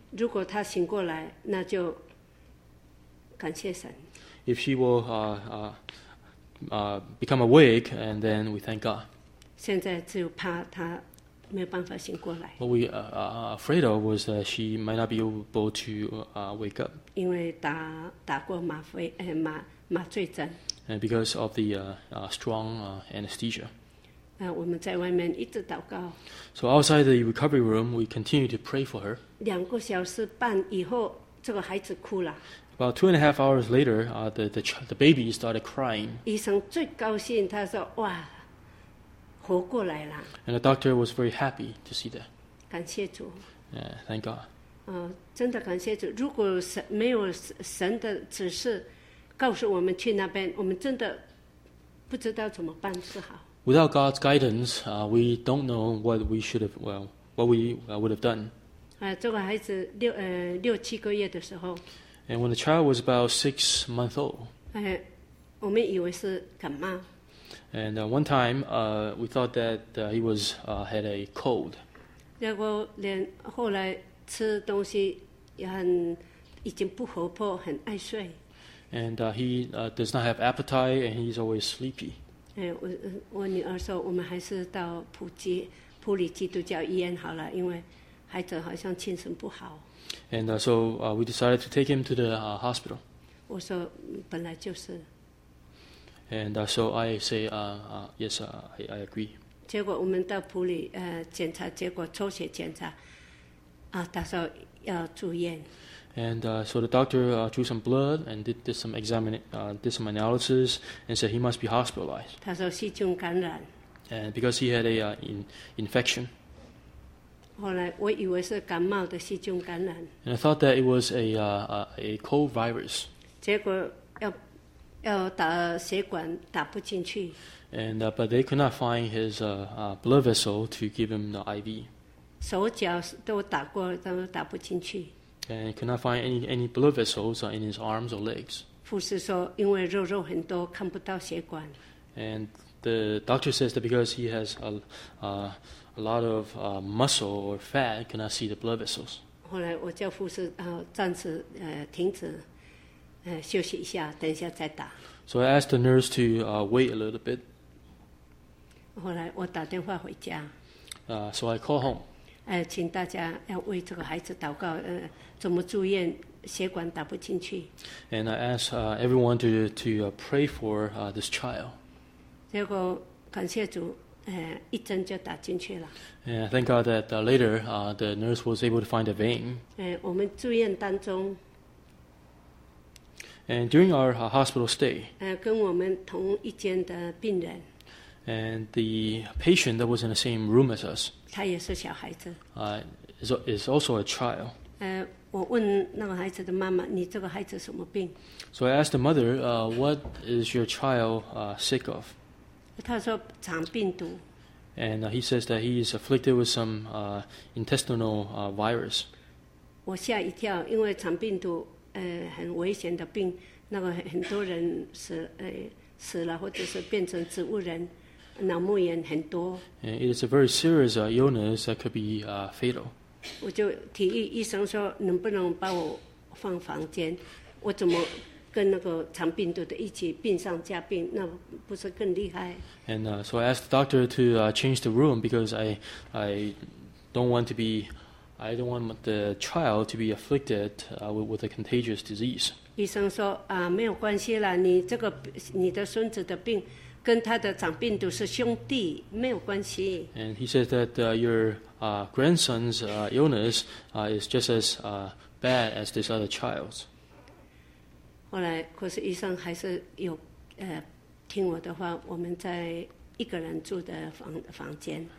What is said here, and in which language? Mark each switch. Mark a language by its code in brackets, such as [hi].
[zh] 如果她醒过来，那就感谢神。 [en] If she will become awake, and then we thank God. [zh] 现在只有怕她没有办法醒过来。 [en] What we afraid of was that she might not be able to wake up. [zh] 因为打过麻醉针。 [en] And because of the strong anesthesia. [zh] 我们在外面一直祷告。 [en] So outside the recovery room, we continue to pray for her. [zh] 2小时半以后，这个孩子哭了。 [en] About 2.5 hours later, the baby started crying. [zh] 医生最高兴，他说：“哇，活过来了。 [en] ”And the doctor was very happy to see that. [zh] 感谢主。 [en] Yeah, thank God. [zh] 真的感谢主。如果神没有神的指示，告诉我们去那边，我们真的不知道怎么办是好。 [en] Without God's guidance, we don't know what we should have, well, what we would have done. [zh] 这个孩子六七个月的时候。 [en] And when the child was about 6 months old. [zh] 我们以为是感冒。 [en] And one time, we thought that he was had a cold. [zh] 结果连后来吃东西也很已经不活泼，很爱睡。 [en] And he does not have appetite, and he's always sleepy. [zh] 我女儿说我们还是到普里基督教医院好了，因为孩子好像精神不好。 [en] And so we decided to take him to the hospital. [zh] 我说本来就是。 [en] And so I say, yes, I agree. [zh] 结果我们到普里检查，结果抽血检查，他说要住院。 [en] And so the doctor drew some blood and did some analysis and said he must be hospitalized. [zh] 他说细菌感染。 [en] And because he had a infection. [zh] 后来我以为是感冒的细菌感染。 [en] And I thought that it was a cold virus. [zh] 结果要打血管打不进去。 [en] And but they could not find his blood vessel to give him the IV. [zh] 手脚都打过，都打不进去。 [en] And could not find any blood vessels in his arms or legs. [zh] 护士说，因为肉很多，看不到血管。 [en] And the doctor says that because he has a lot of muscle or fat, cannot see the blood vessels. [zh] 后来我叫护士暂时停止休息一下，等一下再打。 [en] So I asked the nurse to wait a little bit. [zh] 后来我打电话回家。 [en] So I call home. [zh] 请大家要为这个孩子祷告。怎么住院？血管打不进去。 [en] And I ask everyone to pray for this child. [zh] 结果感谢主，一针就打进去了。 [en] And thank God that later the nurse was able to find a vein. [zh] 我们住院当中。 [en] And during our hospital stay. [zh] 跟我们同一间的病人。 [en] And the patient that was in the same room as us. [zh] 他也是小孩子。 [en] Is also a child. [zh] 我问那个孩子的妈妈，你这个孩子什么病？ [en] So I asked the mother, what is your child sick of? [zh] 他说长病毒。 [en] And he says that he is afflicted with some intestinal virus. [zh] 我吓一跳，因为长病毒很危险的病，那个很多人死了或者是变成植物人，脑膜炎很多。 [en] And it is a very serious illness that could be fatal. [zh] 我就提议医生说，能不能把我放房间？我怎么跟那个长病毒的一起病上加病？那不是更厉害 [en] ？And so I asked the doctor to change the room because I don't want the child to be afflicted with a contagious disease. [zh] 医生说没有关系啦，你的孙子的病跟他的长病毒是兄弟，没有关系。 [en] And he says that your grandson's illness is just as bad as this other child's. [zh] 后来，可是医生还是有听我的话，我们在一个人住的房间。